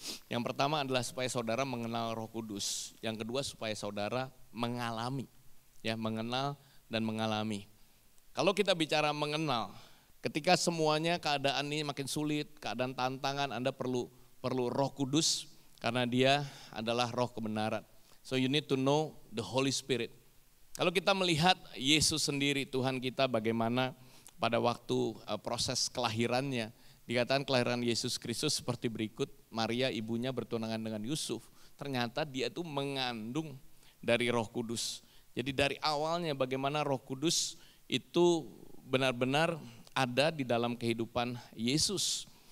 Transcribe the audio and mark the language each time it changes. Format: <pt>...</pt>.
<id>Yang pertama adalah supaya saudara mengenal Roh Kudus. Yang kedua supaya saudara mengalami, ya, mengenal dan mengalami. Kalau kita bicara mengenal, ketika semuanya keadaan ini makin sulit, keadaan tantangan, Anda perlu Roh Kudus karena dia adalah roh kebenaran.</id> <en>So you need to know the Holy Spirit.</en> <id>Kalau kita melihat Yesus sendiri, Tuhan kita, bagaimana pada waktu proses kelahirannya, dikatakan kelahiran Yesus Kristus seperti berikut, Maria ibunya bertunangan dengan Yusuf, ternyata dia itu mengandung dari Roh Kudus. Jadi dari awalnya bagaimana Roh Kudus itu benar-benar ada di dalam kehidupan Yesus.</id>